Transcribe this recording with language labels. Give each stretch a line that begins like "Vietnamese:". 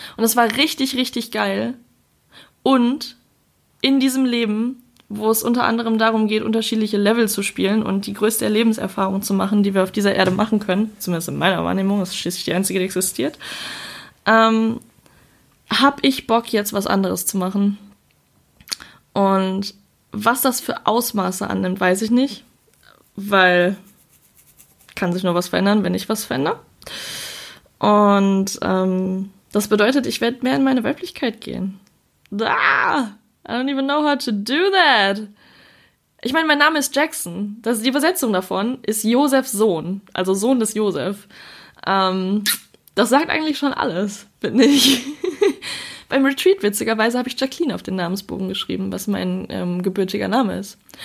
German: Und es war richtig, richtig geil. Und in diesem Leben, wo es unter anderem darum geht, unterschiedliche Level zu spielen und die größte Lebenserfahrung zu machen, die wir auf dieser Erde machen können, zumindest in meiner Wahrnehmung, das ist schließlich die einzige, die existiert, habe ich Bock, jetzt was anderes zu machen. Und was das für Ausmaße annimmt, weiß ich nicht, weil kann sich nur was verändern, wenn ich was verändere. Und das bedeutet, ich werde mehr in meine Weiblichkeit gehen.
English: I don't even know how to do that.
German: Ich meine, mein Name ist Jackson. Das ist die Übersetzung davon, ist Josefs Sohn, also Sohn des Josef. Das sagt eigentlich schon alles, bin ich. Beim Retreat, witzigerweise, habe ich Jacqueline auf den Namensbogen geschrieben, was mein gebürtiger Name ist.